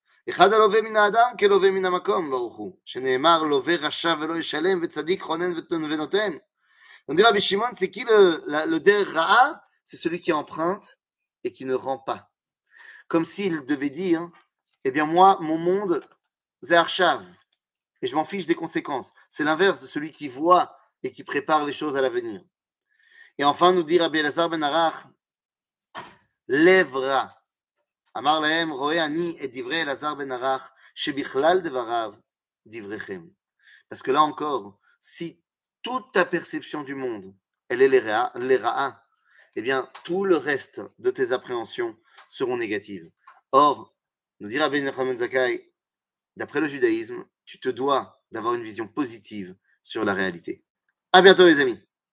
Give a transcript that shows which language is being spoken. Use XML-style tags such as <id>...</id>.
<he>אחד הלווה מן האדם כלווה מן המקום, ברוך הוא, שנאמר לווה רשע ולא ישלם, וצדיק חונן ונותן. נדיר רבי שמעון, זה כאילו לדרך רעה, זה</he> <fr>celui qui emprunte et qui ne rend pas. Comme s'il devait dire, eh bien moi, mon monde,</fr> <he>זה עכשיו,</he> <fr>et je m'en fiche des conséquences. C'est l'inverse de celui qui voit et qui prépare les choses à l'avenir. Et enfin, nous dit רבי אלעזר בן ערך,</fr> <he>לב רע. אמר להם, רואה אני את דברי אלעזר בן ערך, שבכלל דבריו דבריכם.</he> <fr>Parce que là encore, si toute ta perception du monde, elle est les ra'a, eh bien, tout le reste de tes appréhensions seront négatives. Or, nous dit Rabbi Nachman Zakkai, d'après le judaïsme, tu te dois d'avoir une vision positive sur la réalité. À bientôt les amis.</fr>